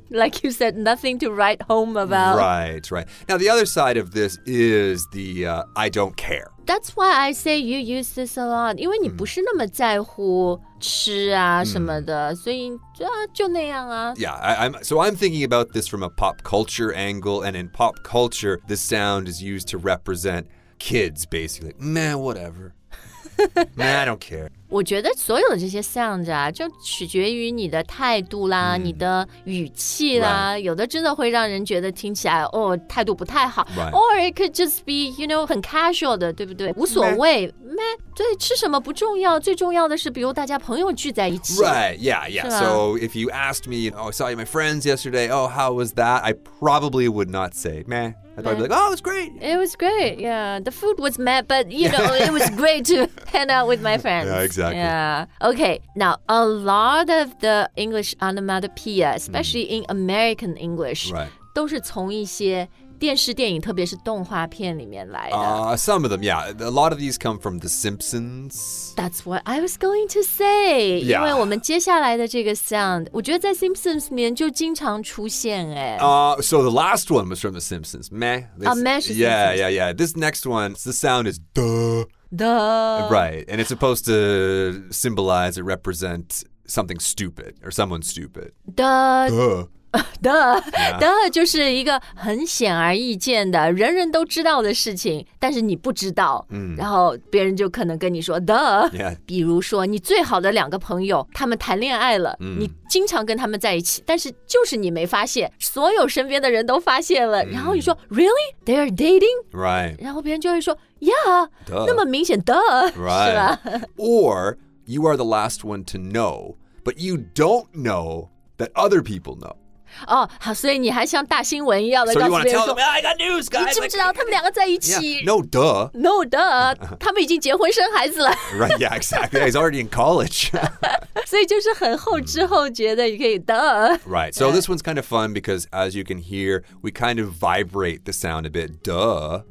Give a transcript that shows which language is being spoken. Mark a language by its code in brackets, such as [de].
[en] Like you said, nothing to write home about. Right, right. Now, the other side of this is the I don't care. That's why I say you use this a lot. [zh] 因为你不是那么在乎吃啊什么的，所以就那样啊。 [en] Yeah, I'm thinking about this from a pop culture angle, and in pop culture, this sound is used to represent kids, basically. Meh, whatever. Meh, I don't care. [zh] 我觉得所有的这些 sound 啊，就取决于你的态度啦、mm. 你的语气啦、 [en] right. [zh] 有的真的会让人觉得听起来哦态度不太好、 [en] right. Or it could just be, you know, [zh] 很 casual 的，对不对？无所谓 [en] meh [zh] 对，吃什么不重要，最重要的是比如大家朋友聚在一起。 [en] Right, yeah, yeah. So if you asked me, you know, I saw my friends yesterday, oh, how was that? I probably would not say meh. I'd probably be like, oh, it was great. It was great, yeah. The food was meh, but, you know, it was great to hang out with my friends. Yeah, exactly. Exactly. Yeah. Okay. Now, a lot of the English onomatopoeia, especially in American English, right, [zh] 都是从一些电视电影，特别是动画片里面来的。 [en] Some of them, yeah. A lot of these come from The Simpsons. That's what I was going to say. Yeah. [zh] 因为我们接下来的这个 sound, 我觉得在 Simpsons 里面就经常出现哎。 [en] So the last one was from The Simpsons. Meh. This, meh. Yeah, yeah, yeah. This next one, the sound is duh. Duh. Right, and it's supposed to symbolize or represent something stupid or someone stupid. Duh. Duh. Duh. Yeah. [zh] Duh 就是一个很显而易见的人人都知道的事情，但是你不知道、 mm. 然后别人就可能跟你说 Duh、 [en] yeah. [zh] 比如说你最好的两个朋友他们谈恋爱了、 mm. 你经常跟他们在一起，但是就是你没发现，所有身边的人都发现了、mm. 然后你说 [en] Really? They are dating? Right. [zh] 然后别人就会说 Yeah、 [en] Duh. [zh] 那么明显 Duh、 [en] right. [zh] 是吧？ [en] Or you are the last one to know, but you don't know that other people know. [zh] 哦、oh, ，好，所以你还像大新闻一样的告诉别人说、 [en] so、you wanna tell them, I got news, guys. [zh] 你知不知道他们两个在一起、 [en] yeah. No, duh. No, duh. [zh] 他们已经结婚生孩子了。 [en] Right, yeah, exactly. He's already in college. [zh] 所以就是很后知后觉的，你可以 duh. [en] Right, so this one's kind of fun because as you can hear, we kind of vibrate the sound a bit, duh.